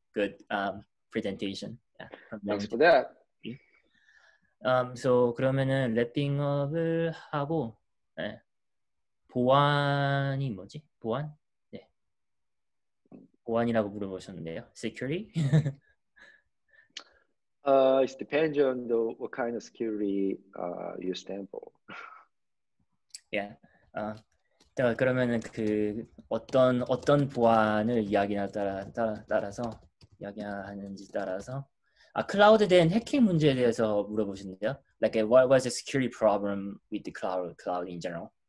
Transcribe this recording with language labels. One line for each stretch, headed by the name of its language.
English: Good presentation. Yeah, thanks for that.
Korean: So 그러면은
English: wrapping up
Korean: 을 하고 네. 보안이 뭐지? 보안? 네. 보안이라고 물어보셨는데요.
English: Security? It depends on the what kind of security you stand for. Yeah.
Korean: 그러면은 그 어떤 보안을 이야기나 따라서 이야기하는지 따라서 아 클라우드에 대한 해킹 문제에 대해서 물어보신데요.
English: Like what was the security problem with the cloud in general?